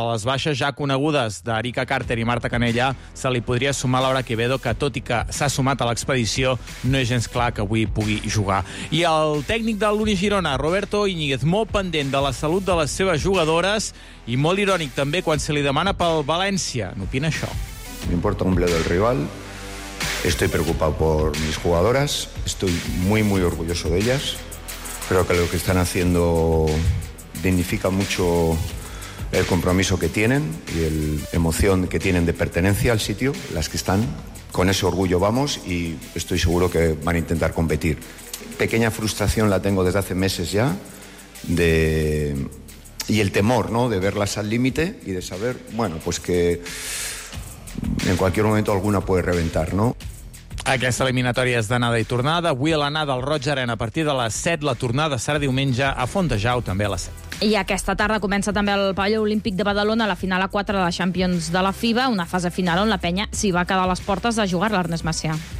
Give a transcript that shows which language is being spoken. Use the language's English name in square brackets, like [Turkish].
[Catalan] A les baixes ja conegudes d'Erika Carter i Marta Canella se li podria sumar Laura Quevedo, que tot i que s'ha sumat a l'expedició, no és gens clar que avui pugui jugar. I el tècnic de l'Uni Girona, Roberto Íñiguez, molt pendent de la salut de les seves jugadores i molt irònic també quan se li demana pel València. N'opina això. M'importa un bledo el rival. [Spanish] Estoy preocupado por mis jugadoras. Estoy muy, muy orgulloso de ellas. Creo que lo que están haciendo dignifica mucho el compromiso que tienen y la emoción que tienen de pertenencia al sitio, las que están. Con ese orgullo vamos y estoy seguro que van a intentar competir. Pequeña frustración la tengo desde hace meses ya y el temor, ¿no?, de verlas al límite y de saber, bueno, pues que en cualquier momento alguna puede reventar, ¿no? [Catalan] Aquesta eliminatòria és d'anada i tornada. Avui a l'anada al Roig Arena a partir de les 7. La tornada serà diumenge a Fontejau, també a les 7. I aquesta tarda comença també el Pavelló Olímpic de Badalona, la final a 4 de la Champions de la FIBA, una fase final on la penya s'hi va quedar a les portes de jugar, l'Ernest Macià.